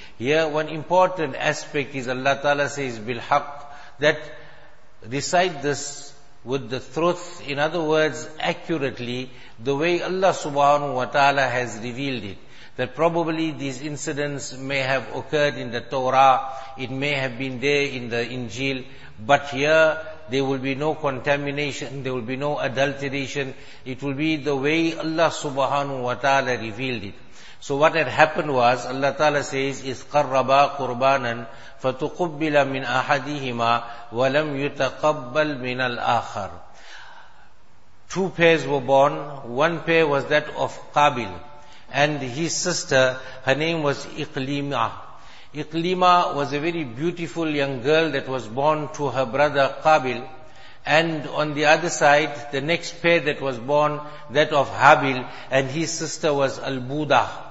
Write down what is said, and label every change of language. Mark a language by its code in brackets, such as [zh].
[en] Here one important aspect is Allah Ta'ala says bilhaq, that recite this with the truth, in other words accurately, the way Allah subhanahu wa ta'ala has revealed it. that probably these incidents may have occurred in the Torah, it may have been there in the Injil, but here there will be no contamination, there will be no adulteration, it will be the way Allah subhanahu wa ta'ala revealed it. So what had happened was, Allah ta'ala says, [ar] إِذْ قَرَّبَا قُرْبَانًا فَتُقُبِّلَ مِنْ أَحَدِهِمَا وَلَمْ يُتَقَبَّلْ مِنَ الْآخَرِ. [en] Two pairs were born, one pair was that of Qabil, and his sister, her name was Iqlimah. Iqlimah was a very beautiful young girl that was born to her brother Qabil. And on the other side, the next pair that was born, that of Habil, and his sister was Al-Buda.